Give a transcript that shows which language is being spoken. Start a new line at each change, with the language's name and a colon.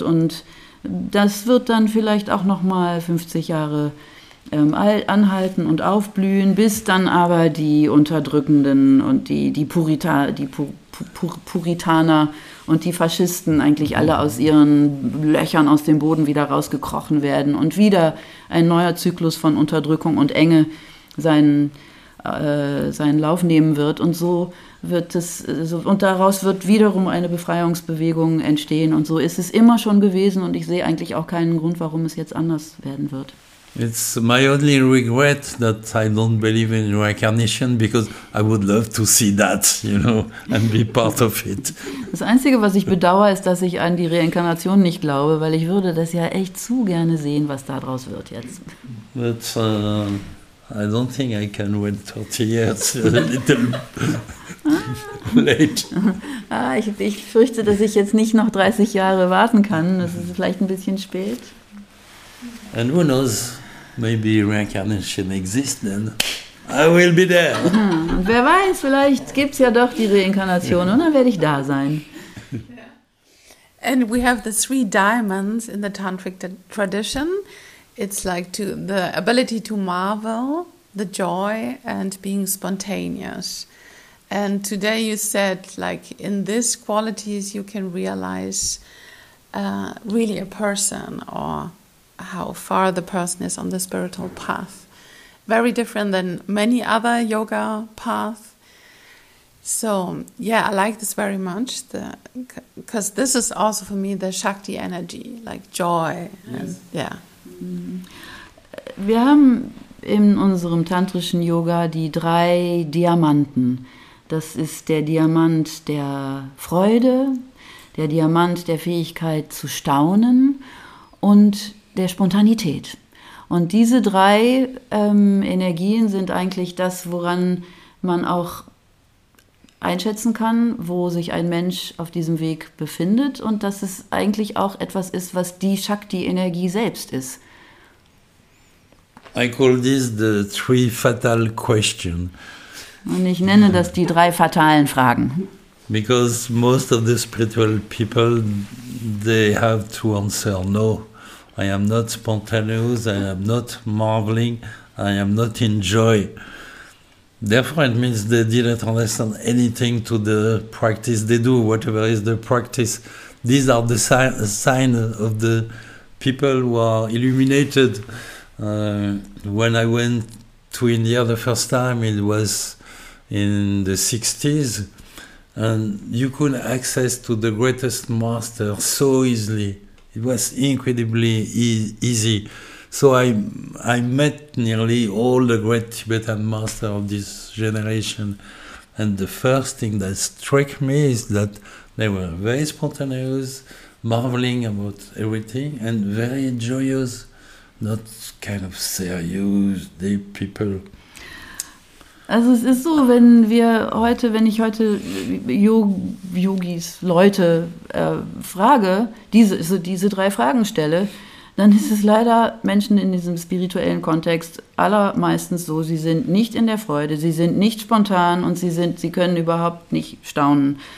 German: Und das wird dann vielleicht auch noch mal 50 Jahre anhalten und aufblühen, bis dann aber die Unterdrückenden und die Puritaner und die Faschisten eigentlich alle aus ihren Löchern aus dem Boden wieder rausgekrochen werden und wieder ein neuer Zyklus von Unterdrückung und Enge seinen Lauf nehmen wird. Und so wird es, und daraus wird wiederum eine Befreiungsbewegung entstehen. Und so ist es immer schon gewesen und ich sehe eigentlich auch keinen Grund, warum es jetzt anders werden wird.
English: It's my only regret that I don't believe in reincarnation, because I would love to see that, you know, and be part of it.
German: Das Einzige, was ich bedauere, ist, dass ich an die Reinkarnation nicht glaube, weil ich würde das ja echt zu gerne sehen, was daraus wird jetzt.
English: But I don't think I can wait 30 years, a little late.
German: Ich fürchte, dass ich jetzt nicht noch 30 Jahre warten kann. Das ist vielleicht ein bisschen spät.
English: And who knows, maybe reincarnation exists then. I will be there.
German: Und wer weiß, vielleicht gibt's ja doch die Reinkarnation und dann werde ich da sein.
English: And we have the three diamonds in the tantric tradition. It's like the ability to marvel, the joy and being spontaneous. And today you said, like, in these qualities you can realize really a person or how far the person is on the spiritual path. Very different than many other yoga paths. So, yeah, I like this very much. Because this is also for me the Shakti energy, like joy. Yes. And, yeah.
German: Wir haben in unserem tantrischen Yoga die drei Diamanten. Das ist der Diamant der Freude, der Diamant der Fähigkeit zu staunen und der Spontanität. Und diese drei Energien sind eigentlich das, woran man auch einschätzen kann, wo sich ein Mensch auf diesem Weg befindet und dass es eigentlich auch etwas ist, was die Shakti-Energie selbst ist.
English: I call this the three fatal questions.
German: Und ich nenne das die drei fatalen Fragen.
English: Because most of the spiritual people, they have to answer no. I am not spontaneous, I am not marveling, I am not in joy. Therefore, it means they didn't understand anything to the practice they do, whatever is the practice. These are the signs of the people who are illuminated. When I went to India the first time, it was in the 60s, and you could access to the greatest master so easily. It was incredibly easy. So I met nearly all the great Tibetan masters of this generation. And the first thing that struck me is that they were very spontaneous, marveling about everything, and very joyous, not kind of serious, deep people.
German: Also es ist so, wenn ich heute Yogis, Leute frage, diese drei Fragen stelle, dann ist es leider Menschen in diesem spirituellen Kontext allermeistens so, sie sind nicht in der Freude, sie sind nicht spontan und sie können überhaupt nicht staunen.